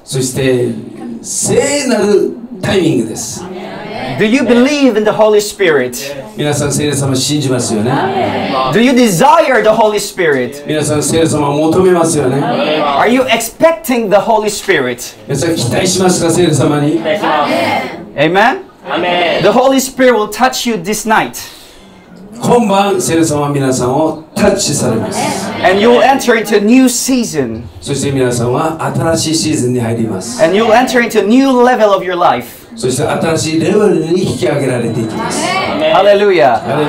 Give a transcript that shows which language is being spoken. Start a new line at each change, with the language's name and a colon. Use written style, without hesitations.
Japanese: そして聖なるタイミングです。Do
English: you believe in the Holy Spirit?
Japanese: 皆さん聖霊様信じますよね。
English: Do you desire the Holy Spirit?
Japanese: 皆さん聖霊様求めますよね。
English: Are you expecting the Holy Spirit?
Japanese: 皆さん期待しますか聖霊様に。
English: Amen. Amen. The Holy Spirit will touch you this night.
Japanese: 今晩聖霊様は皆さんをタッチされます。
English: And you will enter into a new season.
Japanese: そして皆さんは新しいシーズンに入ります。
English: And you will enter into a new level of your life.
Japanese: そして新しいレベルに引き上げられていきます。ハレルヤ。